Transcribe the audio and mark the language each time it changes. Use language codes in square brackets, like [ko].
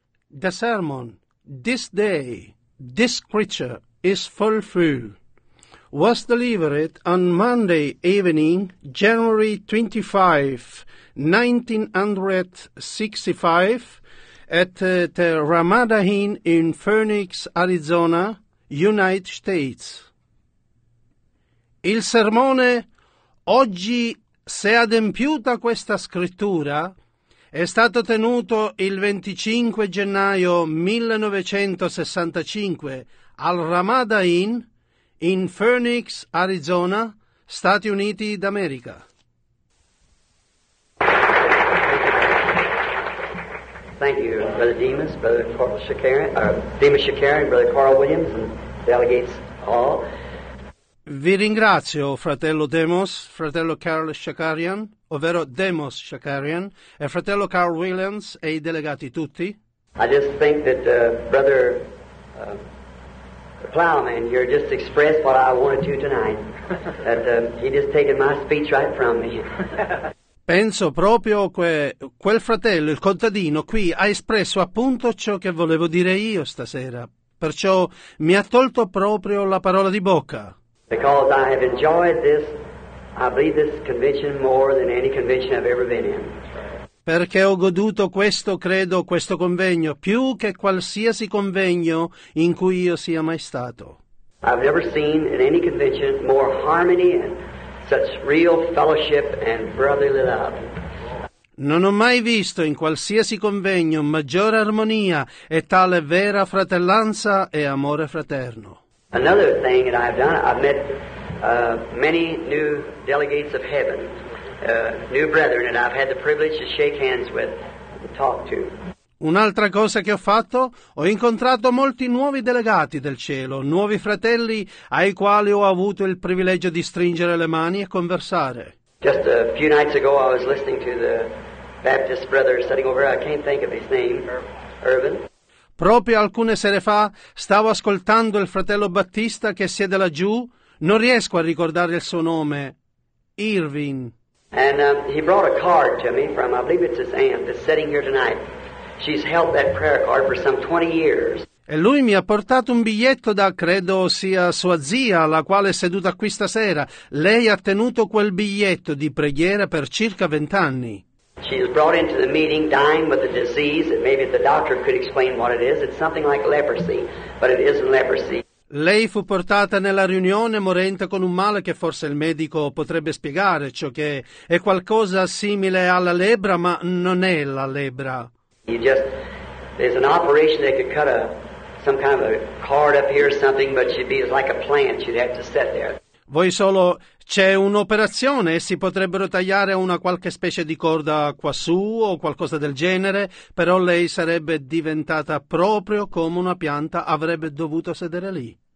[en] The sermon, "This day, this creature is fulfilled," was delivered on Monday evening, January 25, 1965, at the Ramada Inn in Phoenix, Arizona, United States. [it] Il sermone "Oggi si è adempiuta questa scrittura" è stato tenuto il 25 gennaio 1965 al Ramada Inn in Phoenix, Arizona, Stati Uniti d'America. [en] Thank you, Brother Demas, Brother Demas Shakarian, Brother Carl Williams, and delegates all. [it] Vi ringrazio, fratello Demos, fratello Carl Shakarian, ovvero Demos Shakarian, e fratello Carl Williams e i delegati tutti. [en] I just think that Brother Plowman, you just expressed what I wanted to tonight. That he just taken my speech right from me. [it] Penso proprio che quel fratello, il contadino, qui ha espresso appunto ciò che volevo dire io stasera. Perciò mi ha tolto proprio la parola di bocca. [en] Because I have enjoyed this, I believe this convention more than any convention I've ever been in. [it] Perché ho goduto questo, credo, questo convegno, più che qualsiasi convegno in cui io sia mai stato. [en] I've never seen in any convention more harmony and such real fellowship and brotherly love. [it] Non ho mai visto in qualsiasi convegno maggiore armonia e tale vera fratellanza e amore fraterno. [en] Another thing that I've done, I've met many new delegates of heaven, new brethren, and I've had the privilege to shake hands with and talk to. [it] Un'altra cosa che ho fatto, ho incontrato molti nuovi delegati del cielo, nuovi fratelli ai quali ho avuto il privilegio di stringere le mani e conversare. [en] Just a few nights ago I was listening to the Baptist brother sitting over, I can't think of his name, Irvin. [it] Proprio alcune sere fa stavo ascoltando il fratello Battista che siede laggiù, non riesco a ricordare il suo nome, Irvin. [en] And he brought a card to me from, I believe it's his aunt, that's sitting here tonight. She's held that prayer card for some 20 years. [it] E lui mi ha portato un biglietto da, credo sia sua zia, la quale è seduta qui stasera. Lei ha tenuto quel biglietto di preghiera per circa 20 anni. [en] She is brought into the meeting dying with a disease that maybe the doctor could explain what it is. It's something like leprosy, but it isn't leprosy. [it] Lei fu portata nella riunione morente con un male che forse il medico potrebbe spiegare, ciò che è qualcosa simile alla lebbra, ma non è la lebbra. [en] There's an operation that could cut some kind of a cord up here or something, but she'd be like a plant, she'd have to sit there. [it] Voi solo, c'è un'operazione, si potrebbero tagliare una qualche specie di corda quassù o qualcosa del genere, però lei sarebbe diventata proprio come una pianta, avrebbe dovuto sedere lì.